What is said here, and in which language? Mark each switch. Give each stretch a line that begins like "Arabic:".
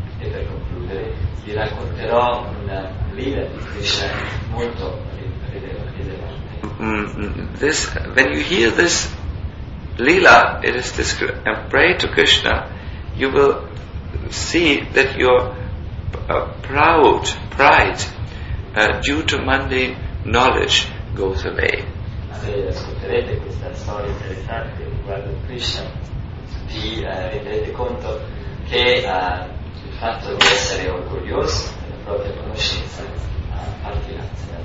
Italian: E per concludere, vi racconterò una Leela di Krishna molto rilevante.
English: This, when you hear this Leela, it is described, and pray to Krishna, you will see that your proud pride due to mundane knowledge goes away.
Italian: Se ascolterete questa storia interessante riguardo Krishna, vi renderete conto che il fatto di essere orgoglioso della propria conoscenza partirà.